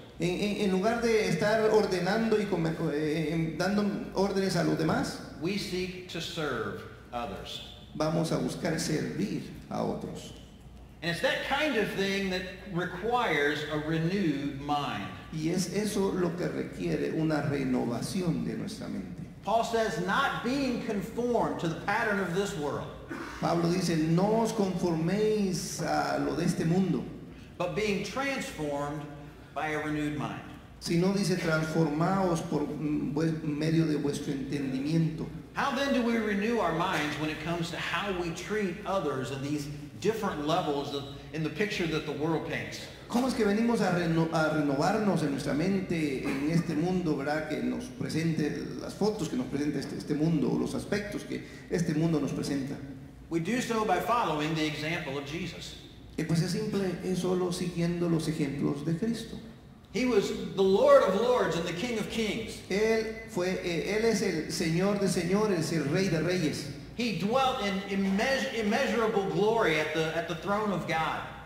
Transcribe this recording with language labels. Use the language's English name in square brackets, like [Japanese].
[Spanish] en lugar de estar ordenando y dando órdenes a los demás, [English] we seek to serve others. [Spanish] Vamos a buscar servir a otros. [English] And it's that kind of thing that requires a renewed mind. [Spanish] Y es eso lo que requiere una renovación de nuestra mente. [English] Paul says, not being conformed to the pattern of this world. [Spanish] Pablo dice, no os conforméis a lo de este mundo. [English] But being transformed by a renewed mind. [Spanish] Sino dice, transformaos por medio de vuestro entendimiento. [English] How then do we renew our minds when it comes to how we treat others in these different levels of, in the picture that the world paints? [Spanish] ¿Cómo es que venimos a renovarnos en nuestra mente en este mundo, verdad, que nos presente las fotos que nos presenta este mundo o los aspectos que este mundo nos presenta? [English] We do so by following the example of Jesus. [Spanish] Y pues es simple, es solo siguiendo los ejemplos de Cristo. [English] He was the Lord of Lords and the King of Kings. [Spanish] Él es el Señor de señores, el Rey de Reyes. [English] He dwelt in immeasurable glory at the throne of God.